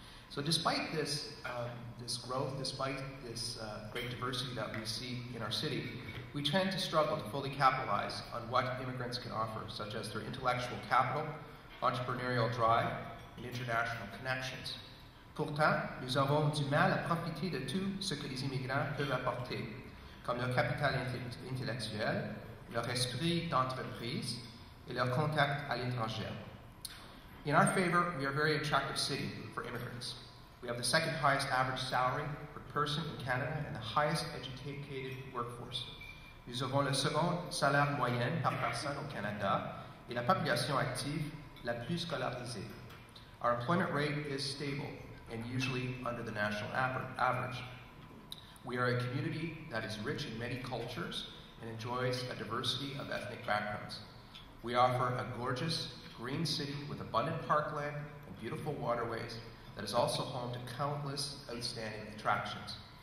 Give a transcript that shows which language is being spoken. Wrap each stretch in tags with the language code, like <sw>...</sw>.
<en>So despite this, this growth, despite this great diversity that we see in our city, we tend to struggle to fully capitalize on what immigrants can offer, such as their intellectual capital, entrepreneurial drive, and international connections.</en> <fr>Pourtant, nous avons du mal à profiter de tout ce que les immigrants peuvent apporter, comme leur capital intellectuel, leur esprit d'entreprise, et leur contact à l'étranger.</fr> <en>In our favor, we are a very attractive city for immigrants. We have the second highest average salary per person in Canada and the highest educated workforce.</en> <fr>Nous avons le second salaire moyen par personne au Canada et la population active la plus scolarisée.</fr> <en>Our employment rate is stable and usually under the national average. We are a community that is rich in many cultures and enjoys a diversity of ethnic backgrounds. We offer a gorgeous green city with abundant parkland and beautiful waterways that is also home to countless outstanding attractions.</en>